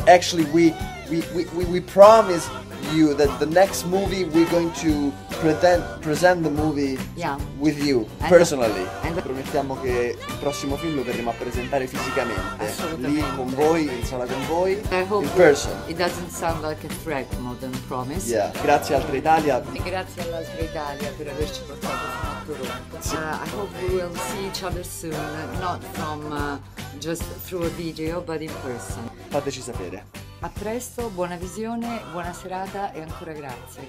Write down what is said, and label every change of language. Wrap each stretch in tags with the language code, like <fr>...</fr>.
<en>actually we promise you that the next movie we're going to present the movie with you personally. And</en> <it>promettiamo che il prossimo film lo verremo a presentare fisicamente. Lì con voi, in sala con voi,</it> <en>in person. It doesn't sound like a threat more than promise. Yeah.</en> <it>Grazie Altra Italia. E grazie all'Altra Italia per averci portato fino a Toronto. Sì.</it> <en>I hope we will see each other soon, not from just through a video, but in person.</en> <it>Fateci sapere. A presto, buona visione, buona serata e ancora grazie.</it>